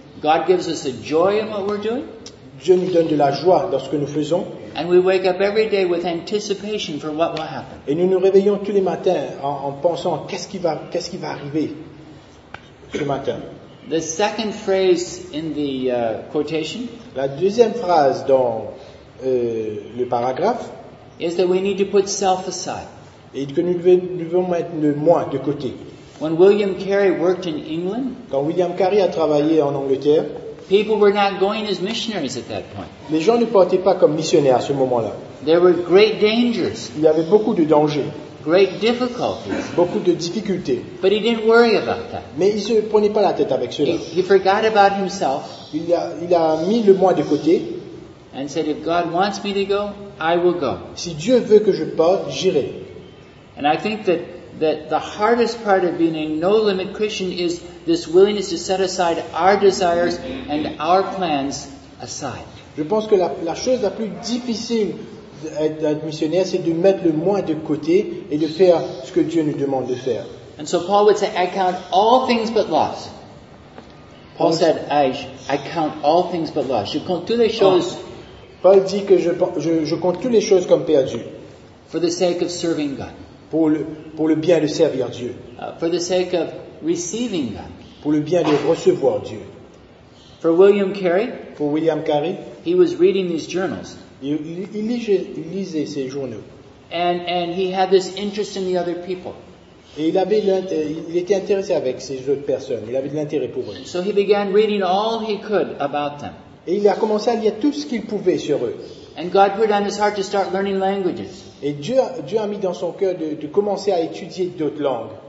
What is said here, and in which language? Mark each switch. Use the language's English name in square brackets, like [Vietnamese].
[English] God gives us a joy in what we're doing. [French] Dieu nous donne de la joie dans ce que nous faisons. [English] And we wake up every day with anticipation for what will happen. [French] Et nous nous réveillons tous les matins en pensant qu'est-ce qui va arriver ce matin. [English] The second phrase in the quotation. [French] La deuxième phrase dans le paragraphe. [English] Is that we need to put self aside. [French] Et que nous devons mettre le moi de côté. [English] When William Carey worked in England. [French] Quand William Carey a travaillé en Angleterre. [English] People were not going as missionaries at that point. [French] Les gens ne partaient pas comme missionnaires à ce moment-là. [English] There were great dangers. [French] Il y avait beaucoup de dangers. [English] Great difficulties. [French] Beaucoup de difficultés. [English] But he didn't worry about that. [French] Mais il ne se prenait pas la tête avec cela. [English] He forgot about himself. [French] Il a mis le moi de côté. [English] And said, if God wants me to go, I will go. [French] Si Dieu veut que je parte, j'irai. [English] And I think that the hardest part of being a no-limit Christian is this willingness to set aside our desires and our plans aside. [French] Je pense que la chose la plus difficile d'être missionnaire, c'est de mettre le moi de côté et de faire ce que Dieu nous demande de faire. [English] And so Paul would say, I count all things but loss. Paul said, I count all things but loss. [French] Je compte toutes les choses. Paul dit que je compte toutes les choses comme perdues. [English] For the sake of serving God. [French] Pour le bien de servir Dieu. [English] For the sake of receiving God. [French] Pour le bien de recevoir Dieu. [English] For William Carey. [French] Pour William Carey. [English] He was reading these journals. [French] Il lisait ces journaux. [English] And he had this interest in the other people. [French] Et il était intéressé avec ces autres personnes. Il avait de l'intérêt pour eux. [English] So he began reading all he could about them. [French] Et il a commencé à lire tout ce qu'il pouvait sur eux. [English] And God put on his heart to start learning languages. [French] Et Dieu a mis dans son cœur de commencer à étudier d'autres langues.